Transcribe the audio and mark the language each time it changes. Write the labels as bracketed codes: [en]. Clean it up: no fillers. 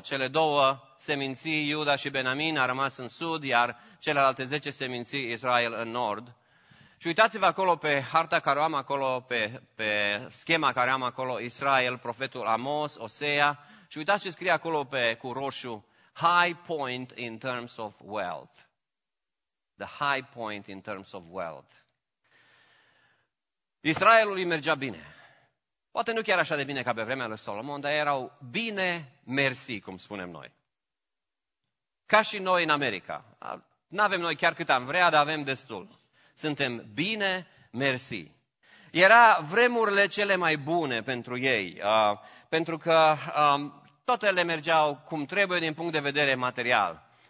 [ro] Cele două seminții, Iuda și Benamin, a rămas în sud, iar celelalte 10 seminții, Israel, în nord. Și uitați-vă acolo pe harta care o am acolo, pe schema care am acolo, Israel, profetul Amos, Osea, și uitați ce scrie acolo cu roșu, [en] high point in terms of wealth. The high point in terms of wealth. [ro] Israelului mergea bine. Poate nu chiar așa de bine ca pe vremea lui Solomon, dar erau bine mersi, cum spunem noi. Ca și noi în America. N-avem noi chiar cât am vrea, dar avem destul. Suntem bine mersi. Era vremurile cele mai bune pentru ei, pentru că toate le mergeau cum trebuie din punct de vedere material.